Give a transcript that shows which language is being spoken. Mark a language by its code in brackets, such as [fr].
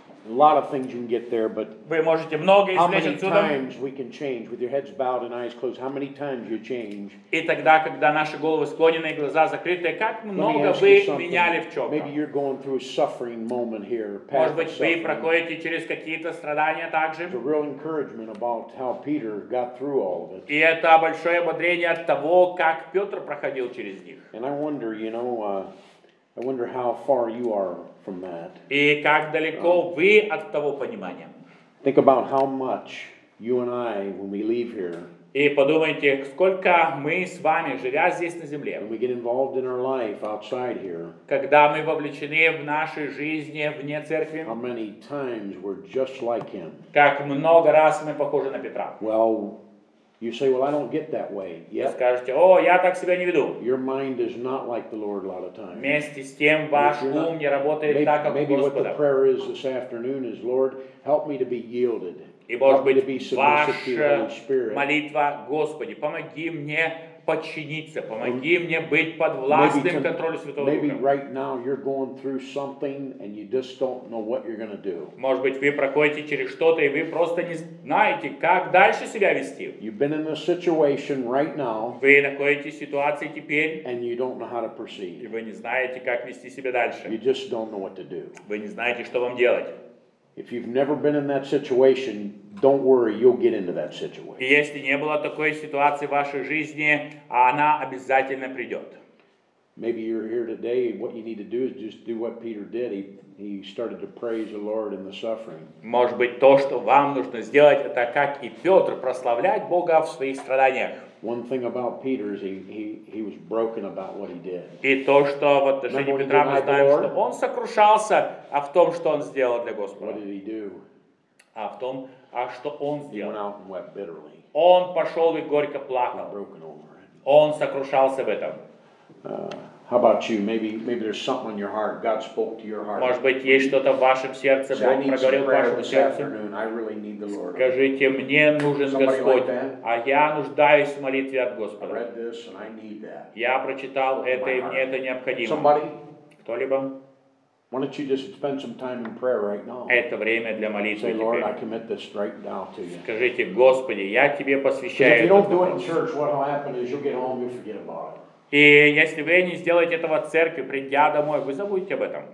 [en] A lot of things you can get there, but how many times you change? [ru] И тогда, когда наши головы склонены, глаза закрыты, как много вы меняли в чем? [en] Maybe you're going through a suffering moment here. [ru] Может быть, вы проходите через какие-то страдания также? [en] It's a real encouragement about how Peter got through all of it. [ru] И это большое ободрение от того, как Петр проходил через них. [en] And I wonder, you know, I wonder how far you are from that. [ru] И как далеко вы от того понимания? [en] Think about how much you and I, when we leave here. [ru] И подумайте, сколько мы с вами, живя здесь на земле. [en] When we get involved in our life outside here. [ru] Когда мы вовлечены в нашей жизни вне церкви. [en] How many times we're just like him? [ru] Как много раз мы похожи на Петра? [en] Well, you say, well, I don't get that way. Yep. [ru] Скажете, о, я так себя не веду. [en] Your mind is not like the Lord a lot of times. [ru] Вместе с тем ваш ум не работает так, как у Господа. [en] Maybe what the prayer is this afternoon is, Lord, help me to be yielded. [ru] И, может быть, ваша молитва, Господи, помоги мне подчиниться, помоги мне быть подвластным контролю Святого Духа. [en] Maybe right now you're going through something and you just don't know what you're going to do. [ru] Может быть, вы проходите через что-то и вы просто не знаете, как дальше себя вести. [en] You've been in a situation right now. [ru] Вы находитесь в ситуации теперь. [en] And you don't know how to proceed. [ru] И вы не знаете, как вести себя дальше. [en] You just don't know what to do. [ru] Вы не знаете, что вам делать. [en] If you've never been in that situation, don't worry, you'll get into that situation. [ru] Если не было такой ситуации в вашей жизни, она обязательно придет. [en] Maybe you're here today, what you need to do is just do what Peter did. He started to praise the Lord in the suffering. [ru] Может быть, то, что вам нужно сделать, это как и Петр, прославлять Бога в своих страданиях. [en] One thing about Peter is he was broken about what he did. [ru] И то, что в отношении Петра мы знаем, что он сокрушался в том, что он сделал для Господа. [en] What did he do? [ru] Что он сделал? [en] He went out and wept bitterly. [ru] Он пошел и горько плакал. [en] Broken over it. [ru] Он сокрушался в этом. [en] How about you? Maybe there's something on your heart. God spoke to your heart. [ru] Может быть, есть что-то в вашем сердце. Бог проговорил в вашем сердце. Скажите, мне нужен Господь, а я нуждаюсь в молитве от Господа. Я прочитал это, и мне это необходимо. [en] Somebody? [ru] Кто-либо? [en] Why don't you just spend some time in prayer right now? [ru] Это время для молитвы. [en] Say, Lord, I commit this right now to you. [ru] Скажите, Господи, я тебе посвящаю. [en] If you don't do it in church, what will happen is you'll get home, you'll forget about it. [ru] И если вы не сделаете этого в церкви, придя домой, вы забудете об этом.